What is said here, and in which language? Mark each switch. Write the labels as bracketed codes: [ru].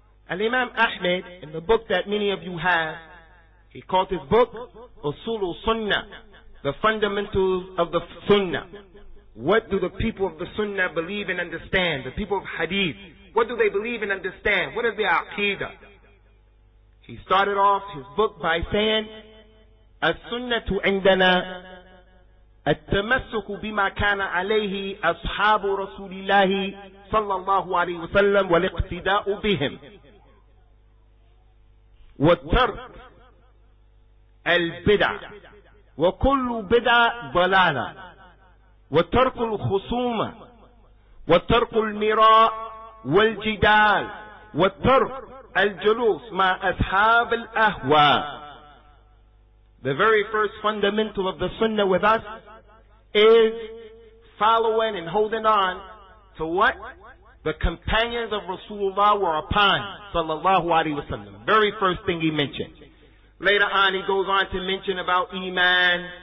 [en] Al-Imam Ahmed, in the book that many of you have, he called his book, Usulul Sunnah, the fundamentals of the Sunnah. What do the people of the Sunnah believe and understand? The people of Hadith, what do they believe and understand? What is the Aqidah? He started off his book by saying, [ar] As-Sunnatu indana, التمسك بما كان عليه أصحاب رسول الله صلى الله عليه وسلم والاقتداء بهم والترك البدع وكل بدع ضلالة وترك الخصومة وترك المراء والجدال وترك الجلوس مع أصحاب الأهواء. [en] The very first fundamental of the Sunnah with us is following and holding on to what the companions of Rasulullah were upon, sallallahu alaihi wasallam. Very first thing he mentioned. Later on, he goes on to mention about iman.